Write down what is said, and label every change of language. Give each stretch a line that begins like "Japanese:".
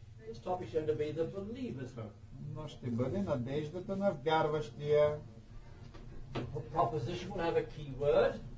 English: This topic should be the believer's hope.
Bulgarian: Но ще бъде надеждата на вярващия.
English: The proposition will have a key word.